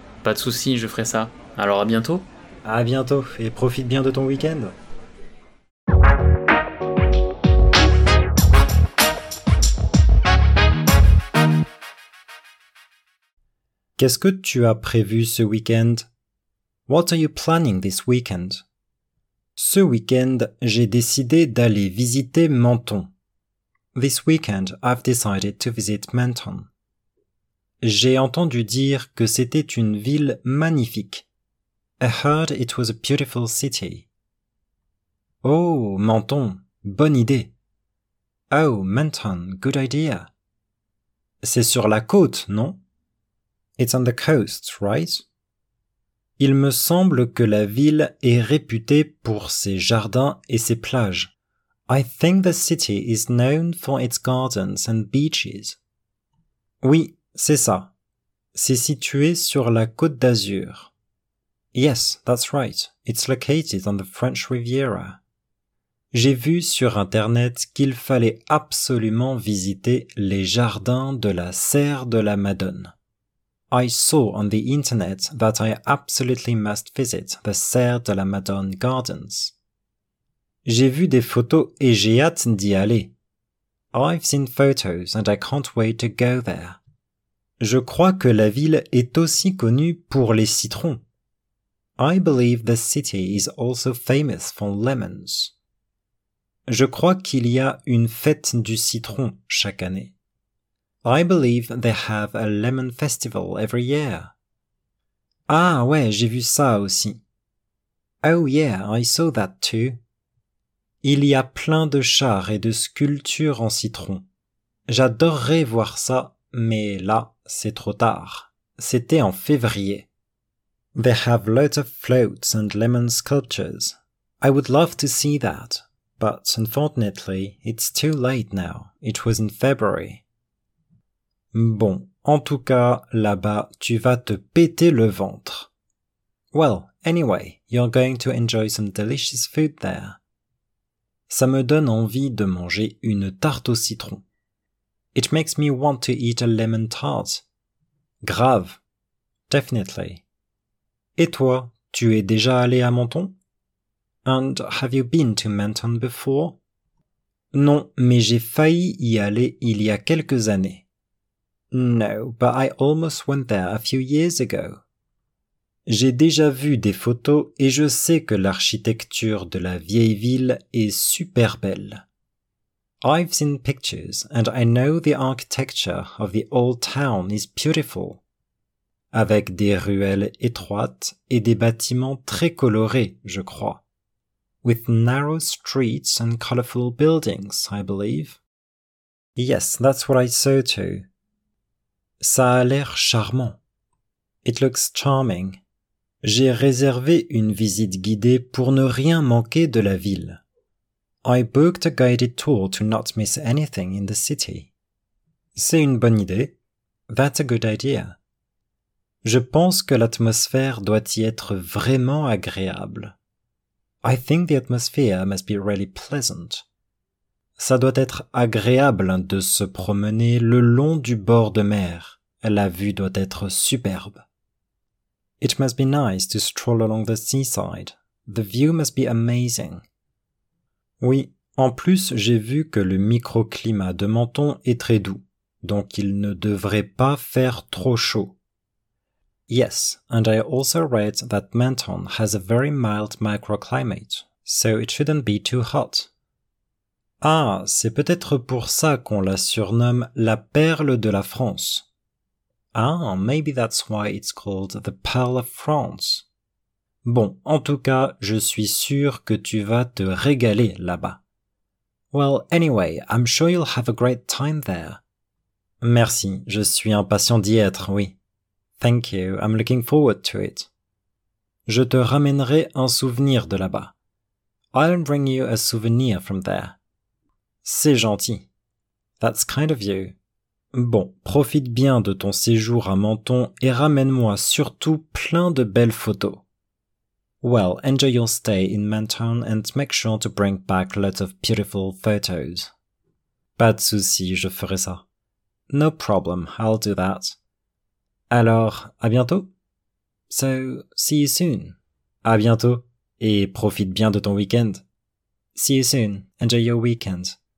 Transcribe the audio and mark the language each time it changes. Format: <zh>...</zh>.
<fr>Pas de soucis, je ferai ça. Alors à bientôt. À bientôt, et profite bien de ton week-end. Qu'est-ce que tu as prévu ce week-end?</fr> <en>What are you planning this weekend?</en> <fr>Ce week-end, j'ai décidé d'aller visiter Menton.</fr> <en>This weekend, I've decided to visit Menton.</en> <fr>J'ai entendu dire que c'était une ville magnifique.</fr> <en>I heard it was a beautiful city.</en> <fr>Oh, Menton, bonne idée.</fr> <en>Oh, Menton, good idea.</en> <fr>C'est sur la côte, non?</fr> <en>It's on the coast, right?</en> <fr>Il me semble que la ville est réputée pour ses jardins et ses plages.</fr> <en>I think the city is known for its gardens and beaches.</en> <fr>Oui, c'est ça. C'est situé sur la côte d'Azur.</fr> <en>Yes, that's right. It's located on the French Riviera.</en> <fr>J'ai vu sur internet qu'il fallait absolument visiter les jardins de la Serre de la Madone.</fr> <en>I saw on the internet that I absolutely must visit the Serre de la Madone Gardens.</en> <fr>J'ai vu des photos et j'ai hâte d'y aller.</fr> <en>I've seen photos and I can't wait to go there.</en> <fr>Je crois que la ville est aussi connue pour les citrons.</fr> <en>I believe the city is also famous for lemons.</en> <fr>Je crois qu'il y a une fête du citron chaque année.</fr> <en>I believe they have a lemon festival every year.</en> <fr>Ah ouais, j'ai vu ça aussi.</fr> <en>Oh yeah, I saw that too.</en> <fr>Il y a plein de chars et de sculptures en citron. J'adorerais voir ça, mais là, c'est trop tard. C'était en février.</fr> <en>They have lots of floats and lemon sculptures. I would love to see that. But unfortunately, it's too late now. It was in February.</en> <fr>Bon, en tout cas, là-bas, tu vas te péter le ventre.</fr> <en>Well, anyway, you're going to enjoy some delicious food there.</en> <fr>Ça me donne envie de manger une tarte au citron.</fr> <en>It makes me want to eat a lemon tart.</en> <fr>Grave.</fr> <en>Definitely.</en> <fr>Et toi, tu es déjà allé à Menton ?</fr> <en>And have you been to Menton before?</en> <fr>Non, mais j'ai failli y aller il y a quelques années.</fr> <en>No, but I almost went there a few years ago.</en> <fr>J'ai déjà vu des photos et je sais que l'architecture de la vieille ville est super belle.</fr> <en>I've seen pictures and I know the architecture of the old town is beautiful.</en> <fr>Avec des ruelles étroites et des bâtiments très colorés, je crois.</fr> <en>With narrow streets and colorful buildings, I believe. Yes, that's what I saw too.</en> <fr>Ça a l'air charmant.</fr> <en>It looks charming.</en> <fr>J'ai réservé une visite guidée pour ne rien manquer de la ville.</fr> <en>I booked a guided tour to not miss anything in the city.</en> <fr>C'est une bonne idée.</fr> <en>That's a good idea.</en> <fr>Je pense que l'atmosphère doit y être vraiment agréable.</fr> <en>I think the atmosphere must be really pleasant.</en> <fr>Ça doit être agréable de se promener le long du bord de mer. La vue doit être superbe.</fr> <en>It must be nice to stroll along the seaside. The view must be amazing.</en> <fr>Oui, en plus j'ai vu que le microclimat de Menton est très doux, donc il ne devrait pas faire trop chaud.</fr> <en>Yes, and I also read that Menton has a very mild microclimate, so it shouldn't be too hot.</en> <fr>Ah, c'est peut-être pour ça qu'on la surnomme la perle de la France.</fr> <en>Ah, maybe that's why it's called the Pearl of France.</en> <fr>Bon, en tout cas, je suis sûr que tu vas te régaler là-bas.</fr> <en>Well, anyway, I'm sure you'll have a great time there.</en> <fr>Merci, je suis impatient d'y être, oui.</fr> <en>Thank you, I'm looking forward to it.</en> <fr>Je te ramènerai un souvenir de là-bas.</fr> <en>I'll bring you a souvenir from there.</en> <fr>C'est gentil.</fr> <en>That's kind of you.</en> <fr>Bon, profite bien de ton séjour à Menton et ramène-moi surtout plein de belles photos.</fr> <en>Well, enjoy your stay in Menton and make sure to bring back lots of beautiful photos.</en> <fr>Pas de souci, je ferai ça.</fr> <en>No problem, I'll do that.</en> <fr>Alors, à bientôt.</fr> <en>So, see you soon.</en> <fr>À bientôt et profite bien de ton week-end.</fr> <en>See you soon, enjoy your weekend.</en>